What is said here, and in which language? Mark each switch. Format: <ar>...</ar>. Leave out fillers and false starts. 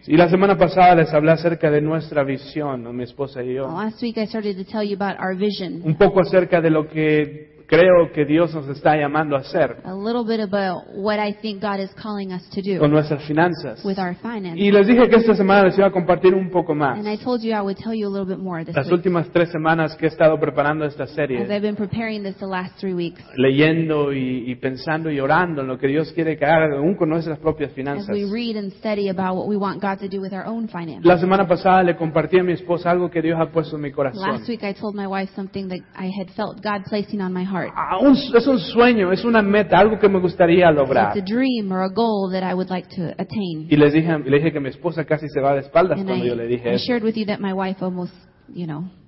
<es>Y la semana pasada les hablé acerca de nuestra visión, mi esposa y yo.</es> <en>Last week I started to tell you about our vision.</en> <es>Un poco acerca de lo que creo que Dios nos está llamando a hacer.</es> <en>A little bit about what I think God is calling us to do.</en> <es>Con nuestras finanzas.</es> <en>With our finances.</en> <es>Y les dije que esta semana les iba a compartir un poco más.</es> <en>And I told you I would tell you a little bit more this week.</en> <es>Las últimas tres semanas que he estado preparando esta serie.</es> <en>As I've been preparing this the last three weeks.</en> <es>Leyendo y pensando y orando en lo que Dios quiere que haga aún con nuestras propias finanzas.</es> <en>As we read and study about what we want God to do with our own finances.</en> <es>La semana pasada le compartí a mi esposa algo que Dios ha puesto en mi corazón.</es> <en>Last week I told my wife something that I had felt God placing on my heart.</en> <es>Es un sueño, es una meta, algo que me gustaría lograr.</es> <en>It's a dream or a goal that I would like to attain.</en> <es>Y le dije que mi esposa casi se va de espaldas</es> <en>and</en> <es>cuando</es> <en>I,</en> <es>yo le dije.</es> <en>I shared with you that my wife almost, you know,</en>